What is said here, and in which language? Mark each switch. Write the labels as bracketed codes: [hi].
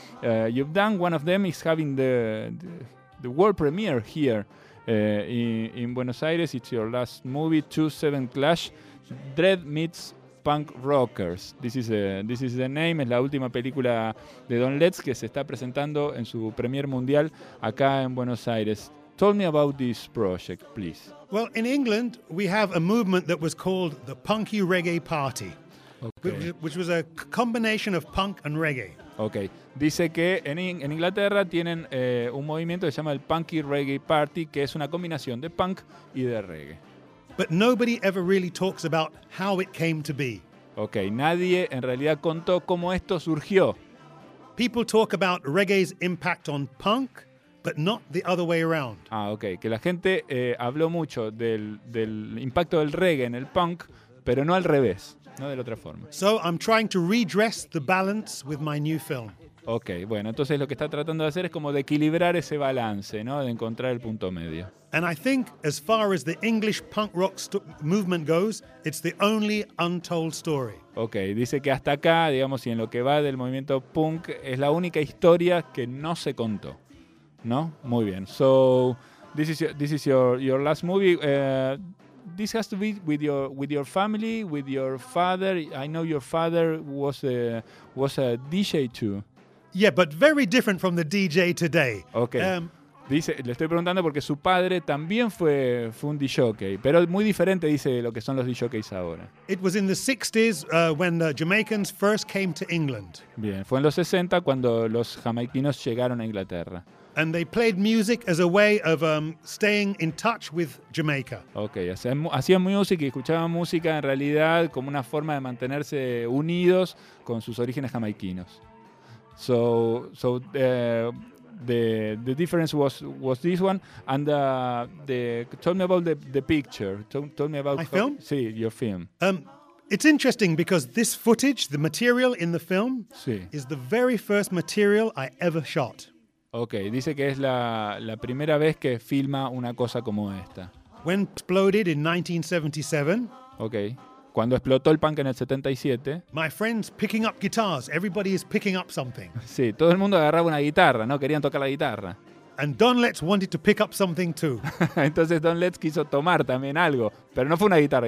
[en] You've done, one of them is having the world premiere here in Buenos Aires. It's your last movie, 2-7 Clash, Dread Meets Punk Rockers. This is the name. [es] Es la última película de Don Letts que se está presentando en su premier mundial acá en Buenos Aires. [en] Tell me about this project, please. Well, in England, we have a movement that was called the Punky Reggae Party, okay. Which was a combination of punk and reggae. Okay. [es] Dice que en Inglaterra tienen un movimiento que se llama el Punky Reggae Party, que es una combinación de punk y de reggae. [en] But nobody ever really talks about how it came to be. [es] Okay, nadie en realidad contó cómo esto surgió. [en] People talk about reggae's impact on punk, but not the other way around. [es] Ah, okay, que la gente habló mucho del impacto del reggae en el punk, pero no al revés, no de la otra forma. [en] So I'm trying to redress the balance with my new film. [es] Ok, bueno, entonces lo que está tratando de hacer es como de equilibrar ese balance, ¿no? De encontrar el punto medio. [en] And I think as far as the English punk rock movement goes, it's the only untold story. [es] Ok, dice que hasta acá, digamos, y en lo que va del movimiento punk, es la única historia que no se contó, ¿no? Muy bien. [en] So, this is your last movie. This has to be with your family, with your father. I know your father was a DJ too. Yeah, but very different from the DJ today. Okay. [es] Dice, le estoy preguntando porque su padre también fue un DJ, pero muy diferente, dice, de lo que son los DJs ahora. [en] It was in the 60s when the Jamaicans first came to England. [es] Bien, fue en los 60 cuando los jamaiquinos llegaron a Inglaterra. [en] And they played music as a way of staying in touch with Jamaica. [es] Okay, hacían música y escuchaban música en realidad como una forma de mantenerse unidos con sus orígenes jamaiquinos. [en] So the difference was this one, and tell me about the picture. [es] Sí, [en] your film. It's interesting because this footage, the material in the film, [es] sí, [en] is the very first material I ever shot. [es] Okay, dice que es la primera vez que filma una cosa como esta. [en] When exploded in 1977. [es] Okay. Cuando explotó el punk en el 77. [en] My friends picking up guitars. Everybody is picking up something. [es] Sí, todo el mundo agarraba una guitarra, ¿no? Querían tocar la guitarra. [en] And Don Letts wanted to pick up something too. [es] Entonces Don Letts quiso tomar también algo, pero no fue una guitarra.